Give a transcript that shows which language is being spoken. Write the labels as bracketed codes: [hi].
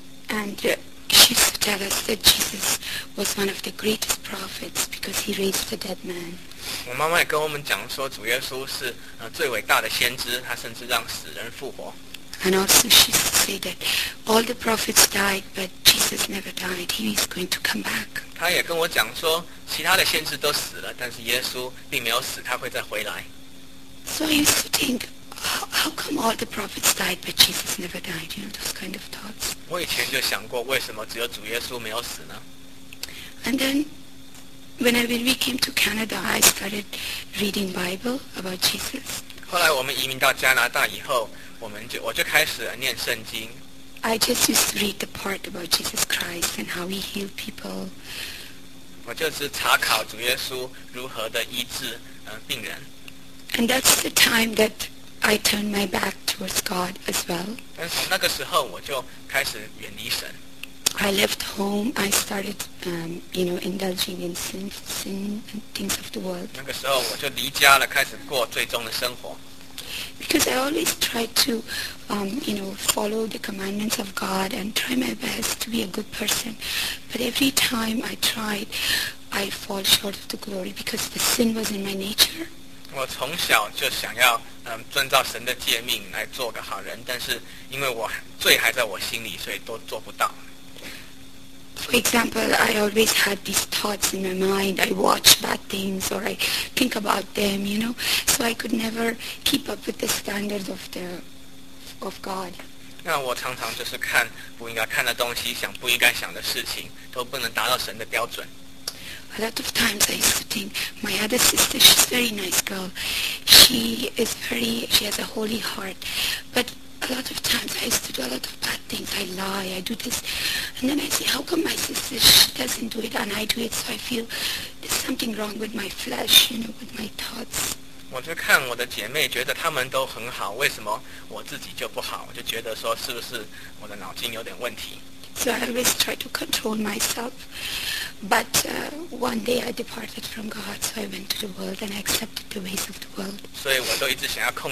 [en] And she used to tell us that Jesus was one of the greatest prophets because he raised the dead man. [zh] 我妈妈也跟我们讲说，主耶稣是最伟大的先知，他甚至让死人复活。 [en] And also she used to say that all the prophets died, but Jesus never died. He is going to come back. [zh] 她也跟我讲说，其他的先知都死了，但是耶稣并没有死，他会再回来。 [en] So I used to think. How come all the prophets died, but Jesus never died? You know, those kind of thoughts. [zh] 我以前就想过，为什么只有主耶稣没有死呢？ [en] And then, when we came to Canada, I started reading Bible about Jesus. [zh] 后来我们移民到加拿大以后，我就开始念圣经。 [en] I just used to read the part about Jesus Christ and how he healed people. [zh] 我就是查考主耶稣如何的医治病人。 [en] And that's the time that. I turned my back towards God as well. [zh] 但从那个时候我就开始远离神。 [en] I left home. I started, you know, indulging in sin and things of the world. [zh] 那个时候我就离家了，开始过最终的生活。 [en] Because I always tried to, you know, follow the commandments of God and try my best to be a good person. But every time I tried, I fall short of the glory because the sin was in my nature. [zh] 我从小就想要遵照神的诫命来做个好人，但是因为我罪还在我心里，所以都做不到。 [en] For example, I always had these thoughts in my mind. I watch bad things or I think about them, you know. So I could never keep up with the standards of God. [zh] 那我常常就是看不应该看的东西，想不应该想的事情，都不能达到神的标准。 [en] A lot of times I used to think, my other sister, she's a very nice girl. She has a holy heart. But a lot of times I used to do a lot of bad things. I lie, I do this. And then I say, how come my sister, she doesn't do it and I do it? So I feel there's something wrong with my flesh, you know, with my thoughts. [zh] 我就看我的姐妹觉得她们都很好，为什么我自己就不好？我就觉得说，是不是我的脑筋有点问题？ [en] So I always try to control myself, but one day I departed from God, so I went to the world and I accepted the ways of the world.